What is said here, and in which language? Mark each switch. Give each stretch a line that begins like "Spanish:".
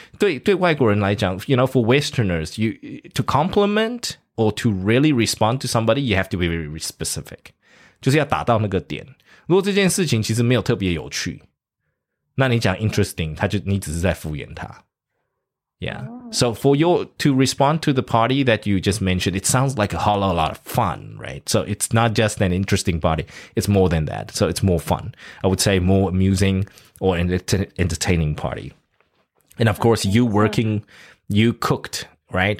Chinese: 对外国人来讲
English: ，you know, for Westerners, you to compliment. Or to really respond to somebody, you have to be very specific.
Chinese: 就是要打到那个点。如果这件事情其实没有特别有趣，那你讲
English: interesting,
Chinese: 他就你只是在敷衍他。
English: Yeah. So for your to respond to the party that you just mentioned, it sounds like a whole lot of fun, right? So it's not just an interesting party. It's more than that. So it's more fun. I would say more amusing or an entertaining party. And of course, you working, you cooked. Right?